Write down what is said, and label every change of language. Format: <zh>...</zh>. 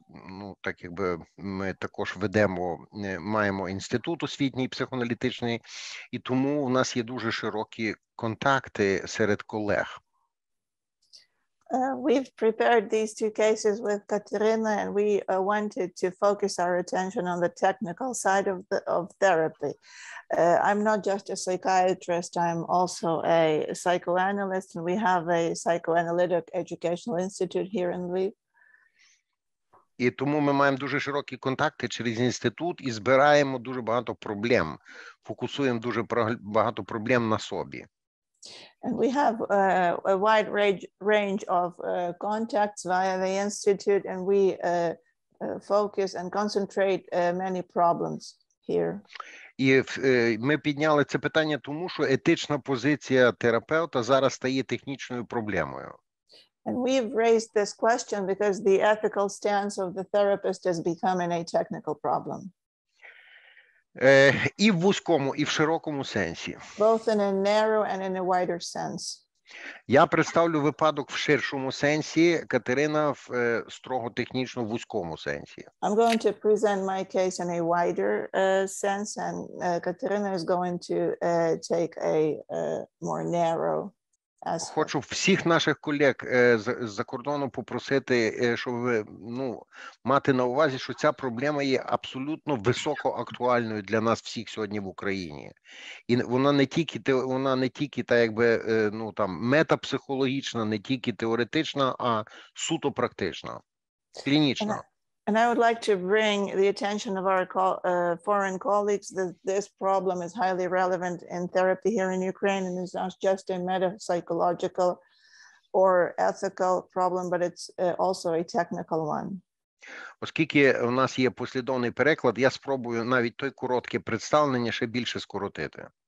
<uk>ну так якби ми також ведемо, маємо інститут освітній психоаналітичний, і тому у нас є дуже широкі контакти серед колег.</uk> <en>We've prepared these two cases with Katerina, and we wanted to focus our attention on the technical side of the, of therapy. I'm not just a psychiatrist, I'm also a psychoanalyst, and we have a psychoanalytic educational institute here in Lviv.</en> <uk>І тому ми маємо дуже широкі контакти через інститут і збираємо дуже багато проблем, фокусуємо дуже багато проблем на собі.</uk> <en>And we have a wide range of contacts via the institute, and we focus and concentrate many problems here.</en> <uk>І ми підняли це питання тому, що етична позиція терапевта зараз стає технічною проблемою.</uk> <en>And we've raised this question because the ethical stance of the therapist is becoming a technical problem.</en> <uk>І в вузькому, і в широкому сенсі.</uk> <en>Both in a narrow and in a wider sense.</en> <uk>Я представлю випадок в ширшому сенсі, Катерина в строго технічно вузькому сенсі.</uk> <en>I'm going to present my case in a wider sense, and Катерина is going to take a more narrow aspect.</en> <uk>Хочу всіх наших колег з-за кордону попросити, щоб ви, ну, мати на увазі, що ця проблема є абсолютно високоактуальною для нас всіх сьогодні в Україні. І вона не тільки та якби, ну, там метапсихологічна, не тільки теоретична, а суто практична, клінічна.</uk> <en>And I would like to bring the attention of our foreign colleagues that this problem is highly relevant in therapy here in Ukraine, and is not just a meta-psychological or ethical problem, but it's also a technical one.</en> <uk>Оскільки у нас є послідовний переклад, я спробую навіть той коротке представлення ще більше скоротити.</uk>